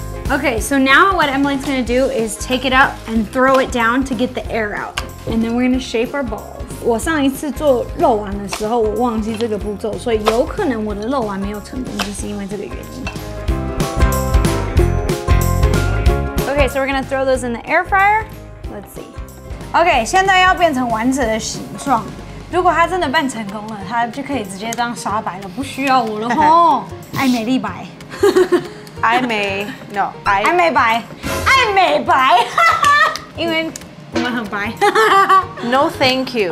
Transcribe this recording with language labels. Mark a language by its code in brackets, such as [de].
[en] Okay, so now what Emily's gonna do is take it up and throw it down to get the air out, and then we're gonna shape our balls. [zh] 我上一次做肉丸的时候，我忘记这个步骤，所以有可能我的肉丸没有成功，就是因为这个原因。 [en] Okay, so we're gonna throw those in the air fryer. Let's see. Okay, [zh] 现在要变成丸子的形状。如果它真的办成功了，它就可以直接当沙白了，不需要我了吼。爱美丽白。爱美 ， [en] no， [zh] 爱。爱美白。爱美白。因为我们很白。 [en] No, thank you.